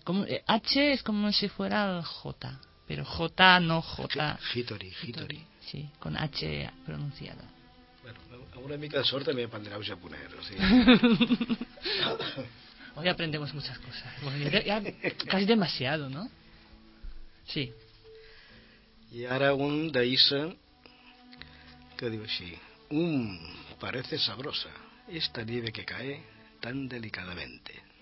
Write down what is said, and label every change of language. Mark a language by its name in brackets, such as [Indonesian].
[Spanish] Como, H es como si fuera el J, pero J no J. [Japanese] Hitori. [Spanish] Sí, con H pronunciada. [Catalan] Bueno, una mica de sort també aprendreu japonès. O sigui. [Spanish] Hoy aprendemos muchas cosas. Ya, casi demasiado, ¿no? Sí. Y ahora [Catalan] un de Isa, que diu així: [Spanish] parece sabrosa esta nieve que cae tan delicadamente.